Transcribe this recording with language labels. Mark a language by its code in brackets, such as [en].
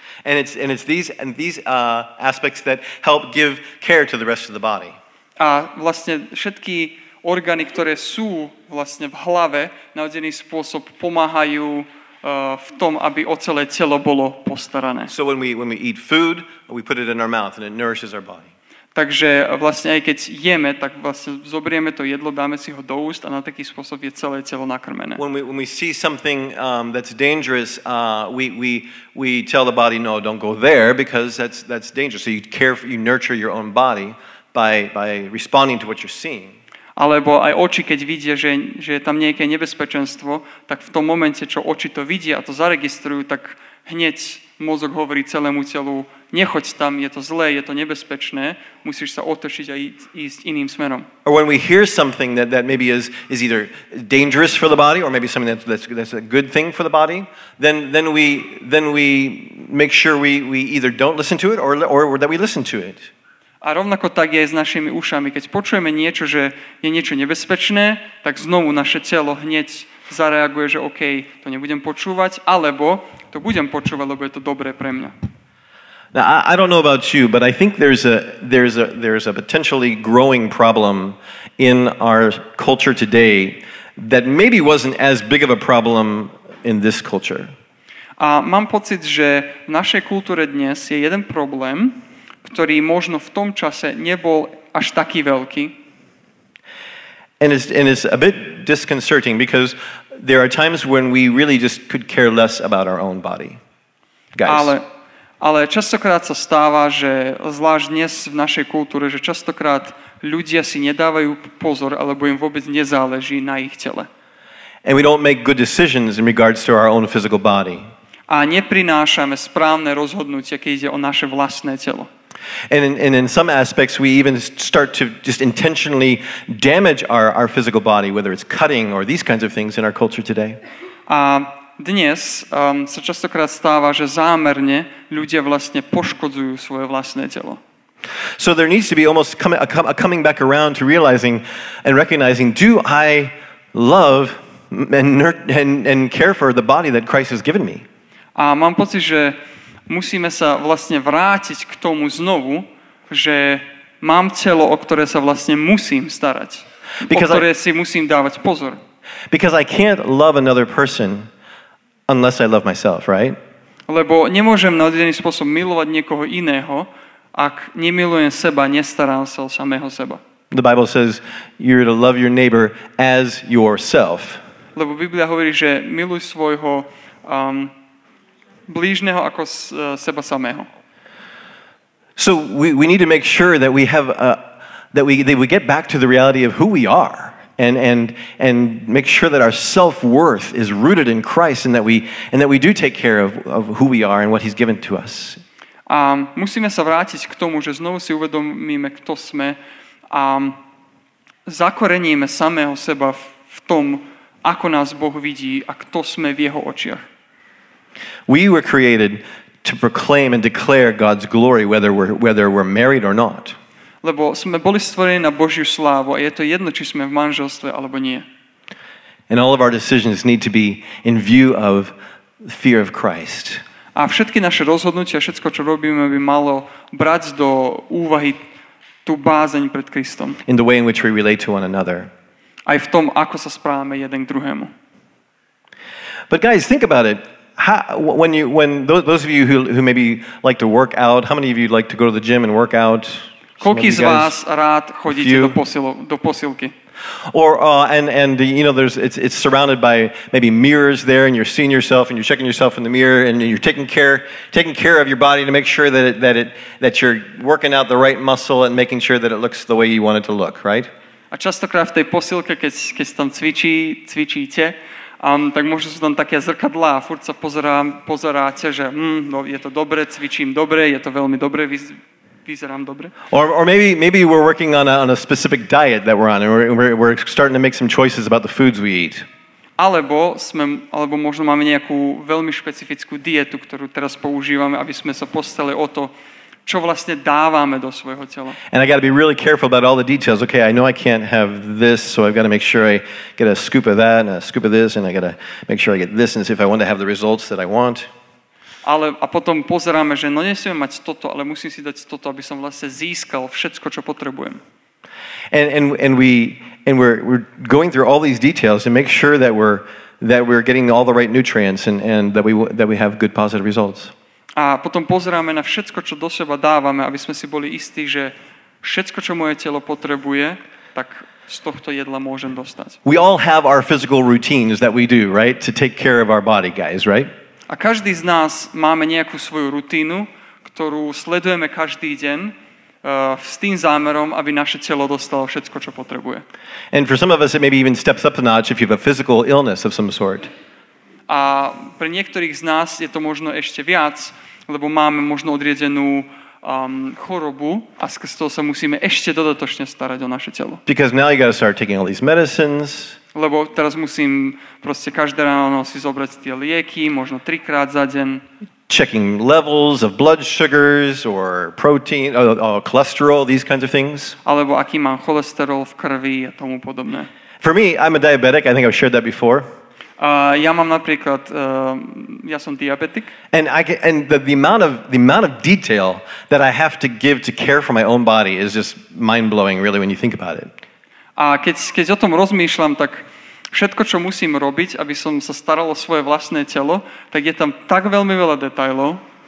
[en] And it's these aspects that help give care to the rest of the body. [sk] A vlastne všetky orgány, ktoré sú vlastne v hlave, na odený spôsob pomáhajú v tom, aby o celé telo bolo postarané. [en] So when we eat food, we put it in our mouth and it nourishes our body. [sk] Takže vlastne aj keď jeme, tak vlastne zobrieme to jedlo, dáme si ho do úst a na taký spôsob je celé telo nakrmené. [en] When we see something that's dangerous, we tell the body no, don't go there because that's dangerous. So you nurture your own body by responding to what you're seeing. [sk] Alebo aj oči, keď vidia, že je tam nejaké nebezpečenstvo, tak v tom momente, čo oči to vidia a to zaregistrujú, tak hneď mozog hovorí celému telu, nechoď tam, je to zlé, je to nebezpečné, musíš sa otočiť a ísť iným smerom. [en] Or when we hear something that maybe is either dangerous for the body or maybe something that's a good thing for the body, then we make sure we either don't listen to it or that we listen to it. [sk] A rovnako tak je aj s našimi ušami. Keď počujeme niečo, že je niečo nebezpečné, tak znovu naše telo hneď zareaguje, že OK, to nebudem počúvať, alebo to budem počúvať, lebo je to dobré pre mňa. [en] Now, I don't know about you, but I think there's a potentially growing problem in our culture today that maybe wasn't as big of a problem in this culture. [sk] A mám pocit, že v našej kultúre dnes je jeden problém, ktorý možno v tom čase nebol až taký veľký. [en] And it's a bit disconcerting because there are times when we really just could care less about our own body. Guys. [sk] Ale častokrát sa stáva, že zvlášť dnes v našej kultúre, že častokrát ľudia si nedávajú pozor alebo im vôbec nezáleží na ich tele. [en] And we don't make good decisions in regards to our own physical body. [sk] A neprinášame správne rozhodnutia, keď ide o naše vlastné telo. [en] And in some aspects we even start to just intentionally damage our physical body, whether it's cutting or these kinds of things in our culture today. [sk] A dnes sa častokrát stáva, že zámerne ľudia vlastne poškodzujú svoje vlastné telo. [en] So there needs to be almost a coming back around to realizing and recognizing, do I love and care for the body that Christ has given me? [sk] A mám pocit, že musíme sa vlastne vrátiť k tomu znovu, že mám telo, o ktoré sa vlastne musím starať, [en] because [sk] o ktoré si musím dávať pozor. [en] Because I can't love another person unless I love myself, right? [sk] Lebo nemôžem na jeden spôsob milovať niekoho iného, ak nemilujem seba, nestarám sa o samého seba. [en] The Bible says you're to love your neighbor as yourself. [sk] Lebo Biblia hovorí, že miluj svojho blížneho ako seba samého. [en] So we need to make sure that we have that we get back to the reality of who we are. And make sure that our self-worth is rooted in Christ and that we do take care of who we are and what he's given to us. [sk] A musíme sa vrátiť k tomu, že znovu si uvedomíme, kto sme a zakoreníme samého seba v tom, ako nás Boh vidí a kto sme v jeho očiach. [en] We were created to proclaim and declare God's glory whether we're married or not. [sk] Lebo sme boli stvorení na Božiu slávu a je to jedno, či sme v manželstve alebo nie. [en] And all of our decisions need to be in view of the fear of Christ. [sk] A všetky naše rozhodnutia, všetko, čo robíme, by malo brať do úvahy tú bázeň pred Kristom. [en] In the way in which we relate to one another. [sk] Aj v tom, ako sa správame jeden k druhému. [en] But guys, think about it. When those of you who maybe like to work out, how many of you like to go to the gym and work out? [sk] Koľký z vás rád chodíte do posilky? [en] Or and you know it's surrounded by maybe mirrors there and you're seeing yourself and you're checking yourself in the mirror and you're taking care of your body to make sure that you're working out the right muscle and making sure that it looks the way you want it to look, right? [sk] A častokrát v tej posilke, keď tam cvičíte, tak možno sú tam také zrkadlá a furt sa pozeráte, že no, je to dobre, cvičím dobre, je to veľmi dobre, vyzerám dobre. [en] Or maybe we're working on a specific diet that we're on and we're starting to make some choices about the foods we eat. [sk] Alebo možno máme nejakú veľmi špecifickú dietu, ktorú teraz používame, aby sme sa postali o to, čo vlastne dávame do svojho tela. [en] And I got to be really careful about all the details. Okay, I know I can't have this, so I've got to make sure I get a scoop of that and a scoop of this and I got to make sure I get this and if I want to have the results that I want. [sk] Ale a potom pozeráme, že no nesmiem mať toto, ale musím si dať toto, aby som vlastne získal všetko, čo potrebujem. [en] And we're going through all these details to make sure that we're getting all the right nutrients and that we have good positive results. [sk] A potom pozeráme na všetko, čo do seba dávame, aby sme si boli istí, že všetko, čo moje telo potrebuje, tak z tohto jedla môžem dostať. [en] We all have our physical routines that we do, right? To take care of our body, guys, right? [sk] A každý z nás máme nejakú svoju rutínu, ktorú sledujeme každý deň s tým zámerom, aby naše telo dostalo všetko, čo potrebuje. [en] And for some of us it maybe even steps up a notch if you have a physical illness of some sort. [sk] A pre niektorých z nás je to možno ešte viac, lebo máme možno odriedenú chorobu a skrz toho sa musíme ešte dodatočne starať o naše telo. [en] Because now you got to start taking all these medicines. [sk] Lebo teraz musím proste každé ráno si zobrať tie lieky, možno trikrát za deň. [en] checking levels of blood sugars or protein or cholesterol, these kinds of things. [sk] Alebo aký mám cholesterol v krvi a tomu podobné. [en] For me, I'm a diabetic. I think I've shared that before. [sk] Ja mám napríklad ja som diabetik. [en] And the amount of detail that I have to give to care for my own body is just mind-blowing really when you think about it. [sk] A keď o tom rozmýšľam, tak všetko, čo musím robiť, aby som sa staral o svoje vlastné telo, tak je tam tak veľmi veľa detailov.